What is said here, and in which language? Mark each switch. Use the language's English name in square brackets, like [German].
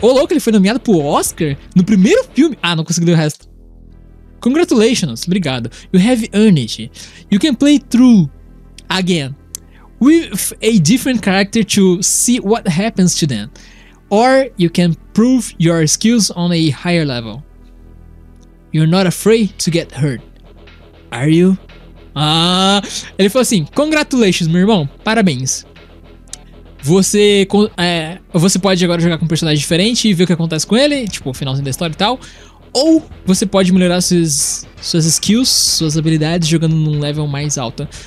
[Portuguese] Ô, louco, ele foi nomeado pro Oscar? No primeiro filme? Ah, não consegui ler o resto. [English] Congratulations, obrigado. You have earned it. You can play through again. With a different character to see what happens to them. Or you can prove your skills on a higher level. You're not afraid to get hurt. Are you? [Portuguese] Ah, ele falou assim, congratulations, meu irmão. Parabéns. Você pode agora jogar com um personagem diferente e ver o que acontece com ele, tipo, o finalzinho da história e tal. Ou você pode melhorar suas skills, suas habilidades, jogando num level mais alto.